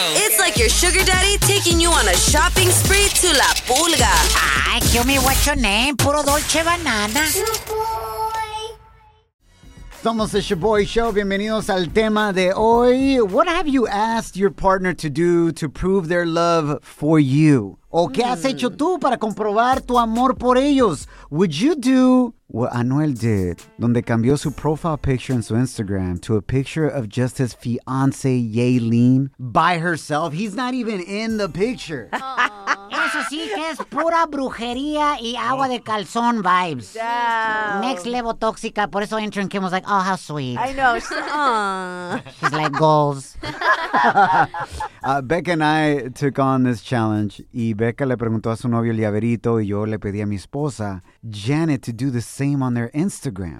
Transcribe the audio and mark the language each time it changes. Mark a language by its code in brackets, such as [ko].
[en] It's like your sugar daddy taking you on a shopping spree to La Pulga. Ay, kill me, what's your name? Puro Dolce Banana. The Boy. [es] Somos the Shaboy Show. Bienvenidos al tema de hoy. [en] What have you asked your partner to do to prove their love for you? [es] ¿O qué has hecho tú para comprobar tu amor por ellos? [en] Would you do what Anuel did, [es] donde cambió su [en] profile picture [es] en su [en] Instagram to a picture of just his fiance, Yaelin, by herself? He's not even in the picture. [es] Eso sí que es pura brujería y agua de calzón vibes. [en] Damn. Next level tóxica. [es] Por eso [en] Intern Kim was like, oh, how sweet. I know. She's like, goals. Becca and I took on this challenge. [es] Y Becca le preguntó a su novio el llaverito y yo le pedí a mi esposa, Janet, [en] to do the same on their Instagram.